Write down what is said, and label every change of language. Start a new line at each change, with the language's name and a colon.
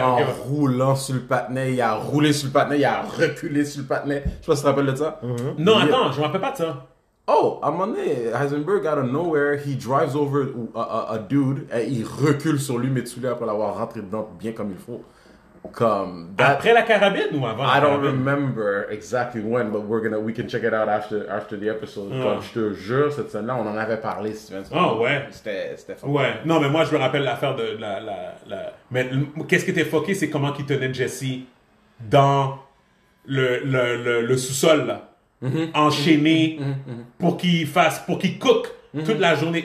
French: En roulant sur le patinet, il a roulé sur le patinet, il a reculé sur le patinet. Je sais pas si tu te rappelles de ça. Mm-hmm. Non, il... attends, je me rappelle pas de ça. Oh, à un moment donné, Heisenberg,
English: out of nowhere, he drives over a dude
French: et il recule sur lui, mais tu l'as après l'avoir rentré dedans bien comme il faut. Comme that, après la carabine ou avant la
English: I don't remember exactly when, but we can check it out after the episode. Mm.
French: Comme je te jure, cette scène-là, on en avait parlé, si tu veux. Ah oh, ouais? C'était fucké. Ouais. Non, mais moi, je me rappelle l'affaire de la... Mais qu'est-ce qui était fucké, c'est comment il tenait Jesse dans le sous-sol, là. Mm-hmm. Enchaîné pour qu'il cook mm-hmm. toute la journée.